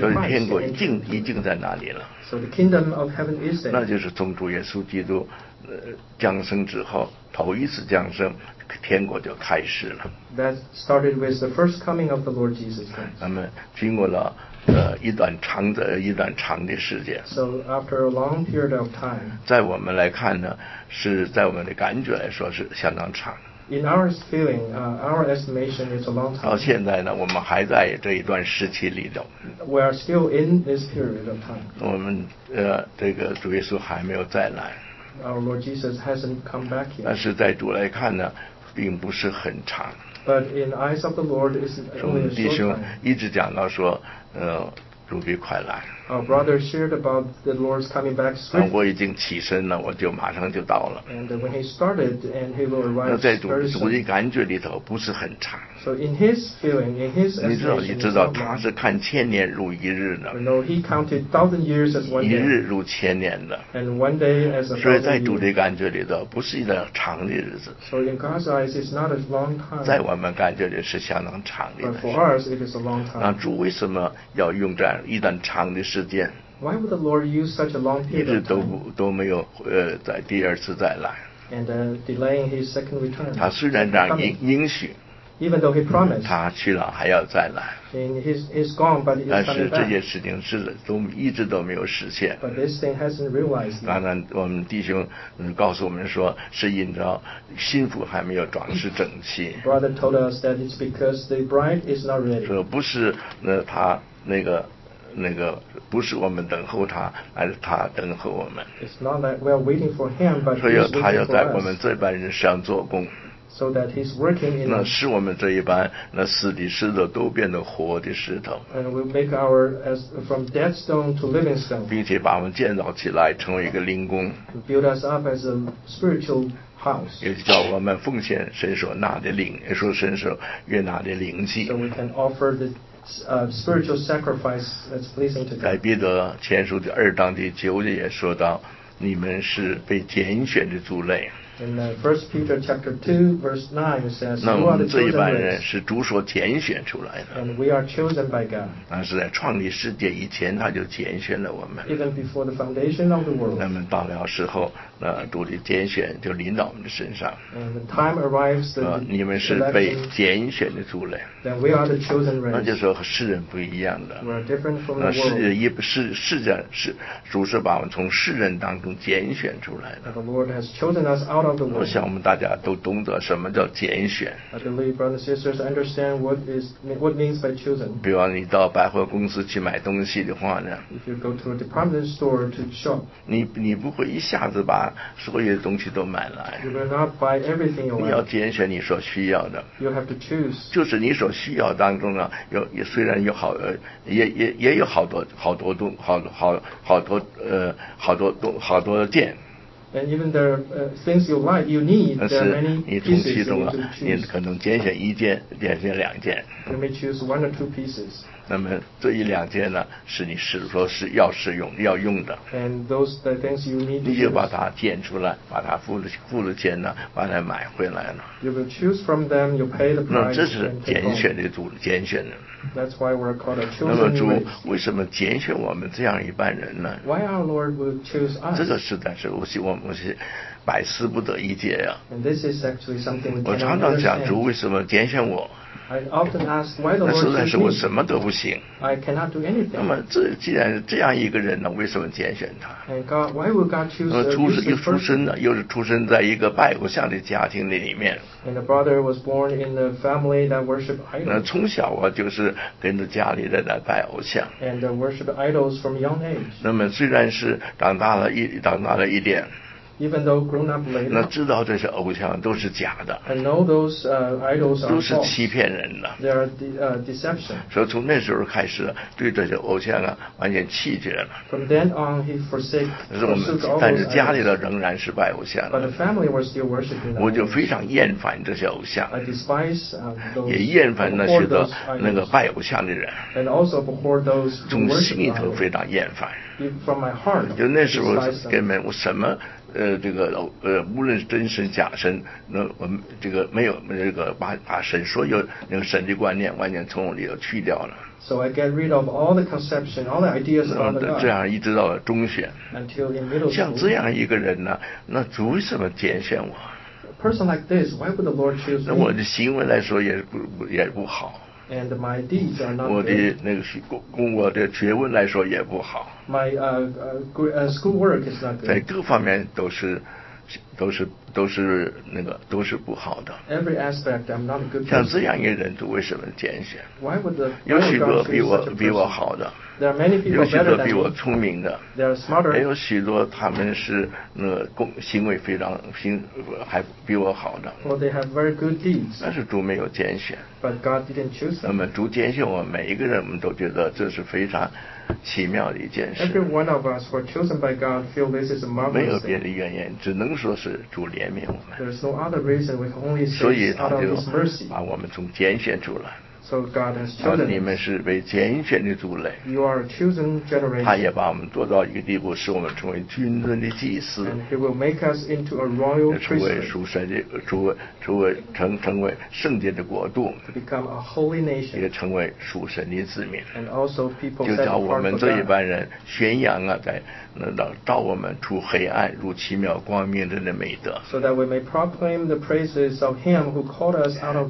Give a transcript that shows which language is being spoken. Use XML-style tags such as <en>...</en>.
<zh>所以天国已经在哪里了</zh> <en>so the kingdom of heaven is there</en> <zh>那就是从主耶稣基督降生之后头一次降生天国就开始了</zh> <en>That started with the first coming of the Lord Jesus Christ</en> <zh>那么经过了一段长的时间</zh> <en>So after a long period of time</en> <zh>在我们来看呢是在我们的感觉来说是相当长</zh> <en>In our feeling, our estimation is a long time</en> <zh>到现在呢我们还在这一段时期里头</zh> <en>We are still in this period of time</en> <zh>我们这个主耶稣还没有再来</zh> <en>Our Lord Jesus hasn't come back yet.</en> <zh>但是在主来看呢，并不是很长。</zh> <en>But in eyes of the Lord, it's only a short time.</en> <zh>弟兄一直讲到说，主必快来。</zh> <en>Our brother shared about the Lord's coming back soon.</en> <zh>我已经起身了，我就马上就到了。</zh> <en>And when he started, and he will arrive very soon.</en> <zh>那在主的感觉里头不是很长。</zh> <en>So in his feeling, in his estimation,</en> <zh>你知道他是看千年如一日的。</zh> <en>No, he counted thousand years as one day.</en> <zh>一日如千年的。</zh> <en>And one day as a.</en> <zh>所以在主的感觉里头不是一段长的日子。</zh> <en>So in God's eyes, it's not a long time.</en> <zh>在我们感觉里是相当长的。</zh> <en>But for us, it is a long time.</en> <zh>那主为什么要用这样一段长的时间？</zh> <en>Why would the Lord use such a long period of time?</en> <zh>一直都没有在第二次再来。</zh> <en>And delaying his second return.</en> <zh>他虽然这样应许。</zh> <en>Even though he promised,</en> <zh>他去了还要再来。</zh> <en>And he's gone, but he's</en> <zh>但是这些事情是都一直都没有实现。</zh> <en>But this thing hasn't realized.</en> <zh>当然，我们弟兄告诉我们说，是因着新妇还没有装饰整齐。</zh> <en>Brother told us that it's because the bride is not ready.</en> <zh>说不是他那个不是我们等候他，而是他等候我们。</zh> <en>It's not that we are waiting for him, but</en> <zh>所以他要在我们这班人身上做工。</zh> <en>So that he's working in</en> <zh>那是我们这一班那死的石头都变得活的石头</zh> <en>and we make our as from dead stone to living stone</en> <zh>并且把我们建造起来成为一个灵宫</zh> <en>build us up as a spiritual house</en> <zh>也叫我们奉献神所纳的灵也说神所悦纳的灵祭</zh> <en>so we can offer the spiritual sacrifice that's pleasing to God</en> <zh>在彼得前书第二章第九节也说到你们是被拣选的族类</zh> <en>In First Peter chapter 2, verse 9, it says,</en> <zh>那我们这一班人是主所拣选出来的。</zh> <en>And we are chosen by God.</en> <zh>那是在创立世界以前他就拣选了我们。</zh> <en>Even before the foundation of the world.</en> <zh>那么到了时候，那主的拣选就临到我们的身上。</zh> <en>And the time arrives that election,</en> <zh>你们是被拣选的族类。</zh> <en>Then we are the chosen race.</en> <zh>那就说和世人不一样的。</zh> <en>We are different from the world.</en> <zh>那世界主是把我们从世人当中拣选出来的。</zh> <en>The Lord has chosen us out of the world.</en> <zh>我想我们大家都懂得什么叫拣选。</zh> <en>I believe brothers and sisters understand what means by chosen.</en> <zh>比方你到百货公司去买东西的话呢</zh> <en>？If you go to a department store to shop.</en> <zh>你不会一下子把所有的东西都买来。</zh> <en>You will not buy everything you want.</en> <zh>你要拣选你所需要的。</zh> <en>You have to choose.</en> <zh>就是你所需要当中呢，虽然有好，也有好多好多东，好好好多好多东，好多件。</zh> <en>And even the things you like, you need, there are many pieces you can choose.</en> <zh>你可能拣选一件，拣选两件。</zh> <en>You may choose one or two pieces.</en> <zh>那么这一两件呢，是你是说是要使用、要用的。</zh> <en>And those the things you need.</en> <zh>你就把它拣出来，把它付了钱呢，把它买回来了。</zh> <en>You will choose from them. You pay the price.</en> <zh>那这是拣选的主，拣选的。</zh> <en>That's why we're called a chosen race.</en> <zh>那么主为什么拣选我们这样一般人呢</zh> <en>？Why our Lord would choose us?</en> <zh>这个实在是我是百思不得一解呀、啊。</zh> <en>And this is actually something.</en> <zh>我常常想主为什么拣选我</zh> <en>？I often ask why the Lord.</en> <zh>那实在是我什么都不行。</zh> <en>I cannot do anything.</en> <zh>那么这既然是这样一个人呢，为什么拣选他</zh> <en>？And God, why would God choose this person?</en> <zh>又出生在一个拜偶像的家庭里面。</zh> <en>And the brother was born in a family that worship idols.</en> <zh>那从小啊就是。跟着家里人来拜偶像</zh> <en>and worship idols from young age.</en> <zh>那么虽然是长大了一点</zh> <en>even though grown up later,</en> <zh>那知道这些偶像都是假的</zh> <en>and know those, idols are</en> <zh>都是欺骗人的</zh> <en>they are deception.</en> <zh>所以从那时候开始对这些偶像、啊、完全弃绝了</zh> <en>from then on, he forsake,</en> <zh>但是家里的仍然是拜偶像</zh> <en>but the family were still worshiping</en> <zh>我就非常厌烦这些偶像</zh> <en>I despise, those,</en> <zh>也厌烦那些的那个拜偶像的人</zh> <en>and also abhor those</en> <zh>从心里头非常厌烦</zh> <en>from my heart,</en> <zh>就那时候根本我什么这个无论是真神假神，那我们这个没有这个把神所有那个神的观念完全从我里头去掉了。</zh> <en>So I get rid of all the conception, all the ideas about God.</en> <zh>这样一直到中学。</zh> <en>Until in middle school.</en> <zh>像这样一个人呢，那主为什么拣选我</zh> <en>？A person like this, why would the Lord choose me?</en> <zh>那我的行为来说也不好。</zh> <en>And my deeds are not.</en> <zh>我的那个我的学问来说也不好。</zh> <en>My school work is not good.</en> <zh>在各方面都是那个都是不好的。</zh> <en>Every aspect, I'm not a good.</en> <zh>像这样一个人，主为什么拣选</zh> <en>？Why would the</en> <zh>有许多比我好的。</zh> <en>There are many people better than me.</en> <zh>有许多比我聪明的。</zh> <en>They are smarter.</en> <zh>也有许多他们是那个行为非常还比我好的。</zh> <en>Well, they have very good deeds.</en> <zh>但是主没有拣选。</zh> <en>But God didn't choose them.</en> <zh>那么主拣选我们每一个人，我们都觉得这是非常。奇妙的一件事。</zh> <en>Every one of us who are chosen by God feel this is a marvelous thing.</en> <zh>没有别的原因，只能说是主怜悯我们。</zh> <en>There's no other reason. We can only say out of His mercy.</en> <zh>所以他就把我们从拣选出来。</zh> <en>So God has chosen us.</en> <zh>你们是被拣选的族类。</zh> <en>You are a chosen generation.</en> <zh>他也把我们做到一个地步，使我们成为君尊的祭司。</zh> <en>And He will make us into a royal priesthood.</en> <zh>成为属神的，成为圣洁的国度。</zh> <en>To become a holy nation.</en> <zh>也成为属神的子民。</zh> <en>And also people.</en> <zh>就叫我们这一班人宣扬啊，在能照我们出黑暗入奇妙光明的那美德。</zh> <en>So that we may proclaim the praises of Him who called us out of darkness.</en>